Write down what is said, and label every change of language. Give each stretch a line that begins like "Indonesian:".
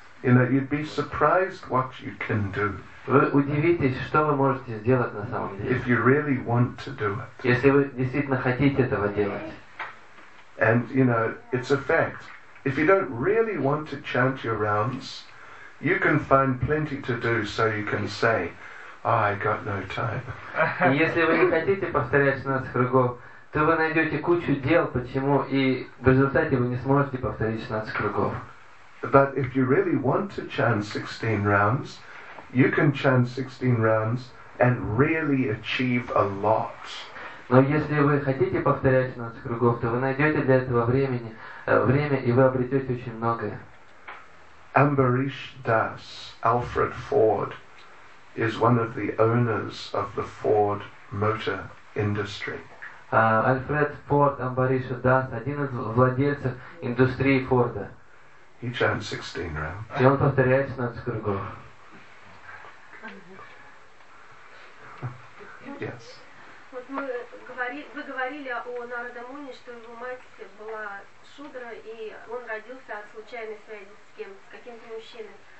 English: You know, you'd be surprised what you can do.
Russian: Вы удивитесь, что вы можете сделать на самом деле.
English: If you really want to do it.
Russian: Если вы действительно хотите этого делать.
English: And you know, it's a fact. If you don't really want to chant your rounds, you can find plenty to do, so you can say, oh, "I got no time."
Russian: Если вы не хотите повторять 16 кругов, то вы найдете кучу дел, почему и в результате вы не сможете повторить 16 кругов.
English: But if you really want to chant 16 rounds, you can chant 16 rounds and really achieve a lot.
Russian: Но если вы хотите повторять 16 кругов, то вы найдете для этого время, и вы обретете очень многое.
English: Ambarish Das, Alfred Ford, is one of the owners of the Ford motor industry.
Russian: Альфред Форд, Амбариша Дас, один из владельцев индустрии Форда.
English: He chants 16 rounds.
Russian: И он повторяет 16 кругов.
English: Yes.
Russian: Вот вы говорили о Нарада Муни, что его мать была шудра, и он родился от случайной связи с кем, с каким-то мужчиной.